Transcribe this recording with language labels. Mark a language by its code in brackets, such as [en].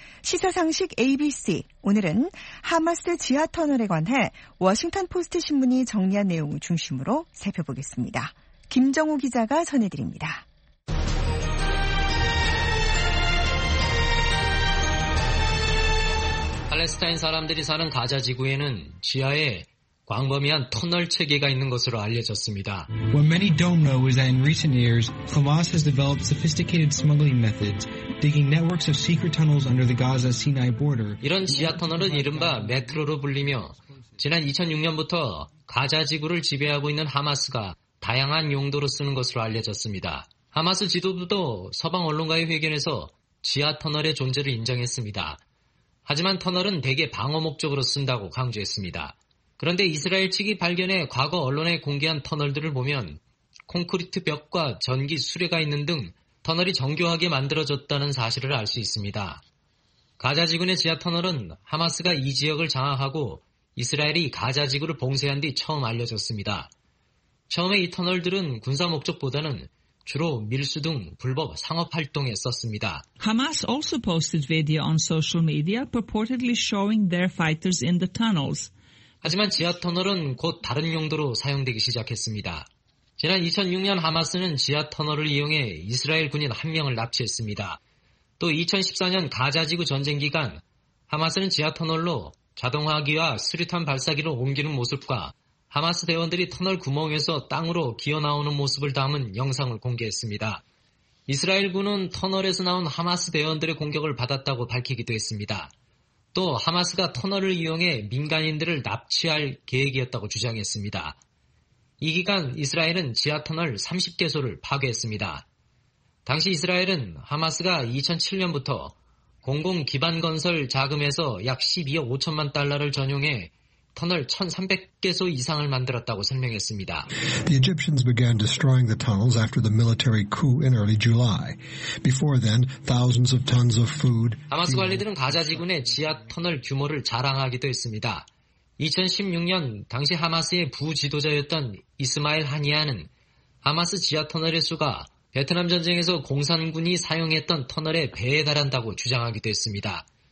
[ko] 시사상식 ABC, 오늘은 하마스 지하터널에 관해 워싱턴포스트 신문이 정리한 내용을 중심으로 살펴보겠습니다. 김정우 기자가 전해드립니다. 팔레스타인 사람들이 사는 가자지구에는 지하에 광범위한 터널 체계가 있는 것으로 알려졌습니다. [en] What many don't know is that in recent years, Hamas has developed sophisticated smuggling methods, digging networks of secret tunnels under the Gaza-Sinai border. [ko] 이런 지하 터널은 이른바 메트로로 불리며 지난 2006년부터 가자 지구를 지배하고 있는 하마스가 다양한 용도로 쓰는 것으로 알려졌습니다. 하마스 지도부도 서방 언론과의 회견에서 지하 터널의 존재를 인정했습니다. 하지만 터널은 대개 방어 목적으로 쓴다고 강조했습니다. 그런데 이스라엘 측이 발견해 과거 언론에 공개한 터널들을 보면 콘크리트 벽과 전기 수레가 있는 등 터널이 정교하게 만들어졌다는 사실을 알 수 있습니다. 가자지구의 지하 터널은 하마스가 이 지역을 장악하고 이스라엘이 가자지구를 봉쇄한 뒤 처음 알려졌습니다. 처음에 이 터널들은 군사 목적보다는 주로 밀수 등 불법 상업 활동에 썼습니다. [en] Hamas also posted video on social media purportedly showing their fighters in the tunnels. [ko] 하지만 지하 터널은 곧 다른 용도로 사용되기 시작했습니다. 지난 2006년 하마스는 지하 터널을 이용해 이스라엘 군인 한 명을 납치했습니다. 또 2014년 가자지구 전쟁 기간 하마스는 지하 터널로 자동화기와 수류탄 발사기로 옮기는 모습과 하마스 대원들이 터널 구멍에서 땅으로 기어나오는 모습을 담은 영상을 공개했습니다. 이스라엘군은 터널에서 나온 하마스 대원들의 공격을 받았다고 밝히기도 했습니다. 또 하마스가 터널을 이용해 민간인들을 납치할 계획이었다고 주장했습니다. 이 기간 이스라엘은 지하 터널 30개소를 파괴했습니다. 당시 이스라엘은 하마스가 2007년부터 공공 기반 건설 자금에서 약 12억 5천만 달러를 전용해 터널 1,300개소 이상을 만들었다고 설명했습니다. [en] The Egyptians began destroying the tunnels after the military coup in early July. Before then, thousands of tons of food. [ko] 하마스 관리들은 가자 지구의 지하 터널 규모를 자랑하기도 했습니다. 2016년 당시 하마스의 부지도자였던 이스마일 하니아는 하마스 지하 터널의 수가 베트남 전쟁에서 공산군이 사용했던 터널의 배에 달한다고 주장하기도 했습니다.